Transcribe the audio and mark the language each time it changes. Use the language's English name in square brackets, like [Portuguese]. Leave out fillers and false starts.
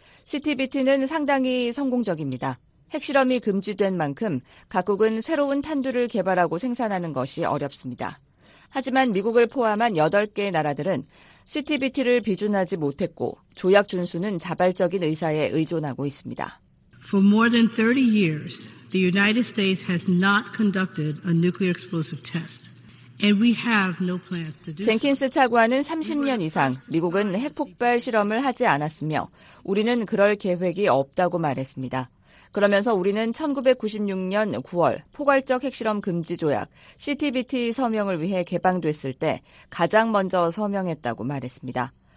[Korean] CTBT는 상당히 성공적입니다. 핵실험이 금지된 만큼 각국은 새로운 탄두를 개발하고 생산하는 것이 어렵습니다. 하지만 미국을 포함한 8개의 나라들은 CTBT를 비준하지 못했고 조약 준수는 자발적인 의사에 의존하고 있습니다. [English] For more than 30 years, the United States has not conducted a nuclear explosive test. And we have no plans to do so. [Korean] 젠킨스 차관은 30년 이상 미국은 핵폭발 실험을 하지 않았으며 우리는 그럴 계획이 없다고 말했습니다. 그러면서 우리는 1996년 9월 포괄적 핵실험 금지 조약 CTBT 서명을 위해 개방됐을 때 가장 먼저 서명했다고 말했습니다.